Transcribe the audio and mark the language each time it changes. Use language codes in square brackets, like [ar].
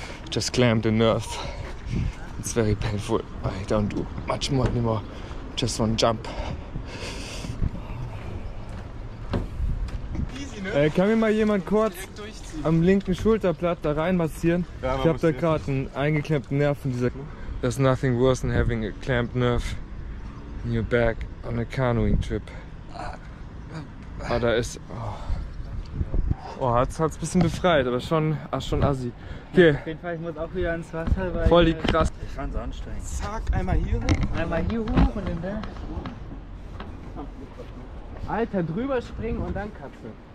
[en] Just clamped the nerve. It's very painful. I don't do much more anymore. Just one jump. Easy, ne? [de] Kann mir mal jemand kurz am linken Schulterblatt da reinmassieren? Ja, ich habe da gerade einen eingeklemmten Nerv in dieser. [en] There's nothing worse than having a clamped nerve in your back on a canoeing trip. [de] Aber da ist. Oh, hat's ein bisschen befreit, aber schon assi. Okay. Auf jeden Fall, ich muss auch wieder ins Wasser, weil... Voll die krass. Ich fand's anstrengend. Zack, einmal hier hoch. Einmal hier hoch und dann da. Alter, drüber springen und dann Katze.